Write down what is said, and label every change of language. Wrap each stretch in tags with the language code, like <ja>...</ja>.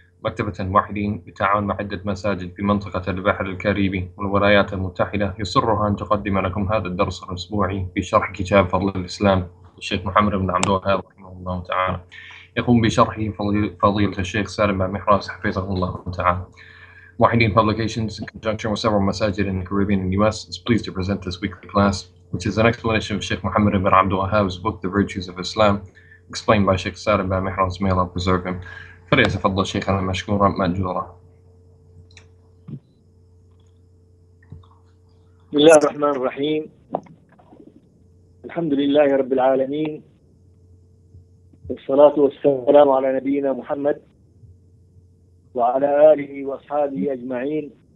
<ar>مكتبة الموحدين بتعاون مع عدة مساجد في منطقة البحر الكاريبي والولايات المتحدة يسرها أن تقدم لكم هذا الدرس الأسبوعي في شرح كتاب فضل الإسلام للشيخ محمد بن عبد الوهاب رحمه الله تعالى. يقوم بشرحه فضيلة الشيخ سالم بن محراس حفظه الله تعالى.</ar> <en>موحدين Publications in conjunction with several مساجد in the Caribbean and US is pleased to present this weekly class, which is an explanation of Sheikh Muhammad ibn Abdul Wahhab's book, The Virtues of Islam, explained by Sheikh Salim bin Mihraz, may Allah preserve him.</en> <ar>فليتفضل شيخنا مشكورا مأجورا. بسم الله الرحمن الرحيم. الحمد لله رب العالمين، والصلاة والسلام على نبينا محمد وعلى آله وأصحابه أجمعين.</ar>